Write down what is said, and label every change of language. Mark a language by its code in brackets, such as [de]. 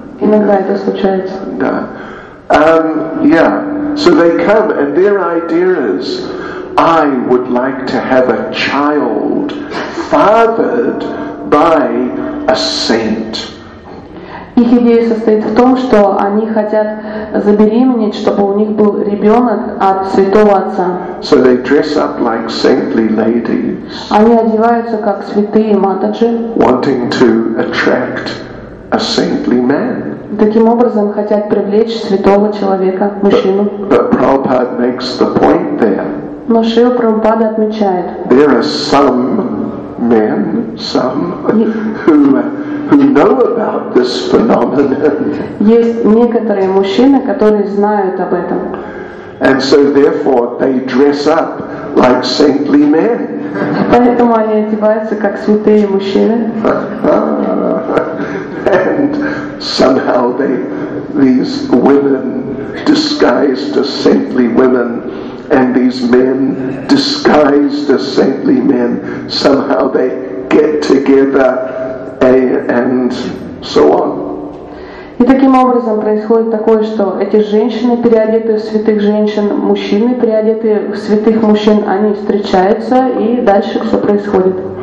[ru] Иногда это случается. Да. [en] Yeah. So they come, and their idea is, I would like to have a child fathered by a saint. [ru] Их идея состоит в том, что они хотят забеременеть, чтобы у них был ребенок от святого отца. [en] So they dress up like saintly ladies. [ru] Они одеваются как святые матаджи. [en] Wanting to attract a saintly man. [ru] Таким образом хотят привлечь святого человека, мужчину. [en] But Prabhupada makes the point there. [ru] Но Шрила Прабхупада отмечает. [en] There are some men, some who know about this phenomenon. [ru] Есть некоторые мужчины, которые знают об этом. [en] And so therefore they dress up like saintly men. [ru] Поэтому они одеваются как святые мужчины. [en] And somehow these women disguised as saintly women, and these men disguised as saintly men, somehow they get together and so on. [ru] И таким образом происходит такое, что эти женщины, переодетые в святых женщин, мужчины, переодетые в святых мужчин, они встречаются, и дальше все происходит.